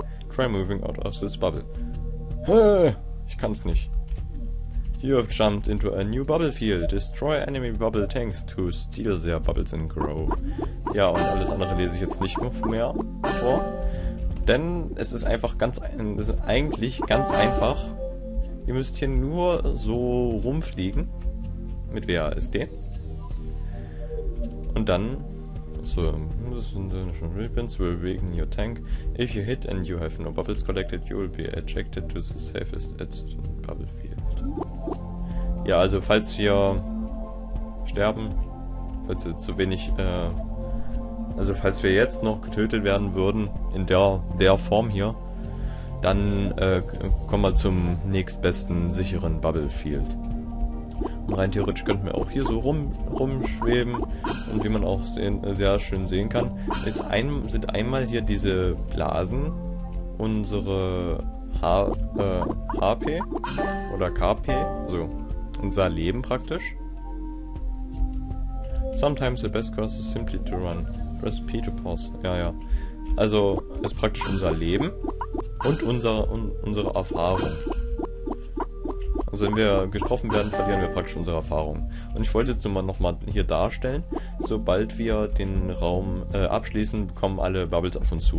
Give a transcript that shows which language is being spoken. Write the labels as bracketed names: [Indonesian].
[English] Try moving out of this bubble. [German] Ich kann's nicht. [English] You have jumped into a new bubble field. Destroy enemy bubble tanks to steal their bubbles and grow. [German] Ja, und alles andere lese ich jetzt nicht mehr vor. Denn es ist einfach ganz einfach. Ihr müsst hier nur so rumfliegen. Mit WASD. Und dann. [English] So, Ribbons will weaken your tank. If you hit and you have no bubbles collected, you will be ejected to the safest at bubble field. [German] Ja, also falls wir sterben, falls wir zu wenig, also falls wir jetzt noch getötet werden würden, in der Form hier, dann kommen wir zum nächstbesten sicheren Bubble Field. Rein theoretisch könnten wir auch hier so rumschweben. Und wie man auch sehr schön sehen kann, sind einmal hier diese Blasen unsere HP oder KP, so unser Leben praktisch. [English] Sometimes the best course is simply to run. Press P to pause. [German] Ja, ja. Also ist praktisch unser Leben und unsere Erfahrung. Also wenn wir getroffen werden, verlieren wir praktisch unsere Erfahrung. Und ich wollte jetzt nochmal hier darstellen, sobald wir den Raum abschließen, kommen alle Bubbles auf uns zu.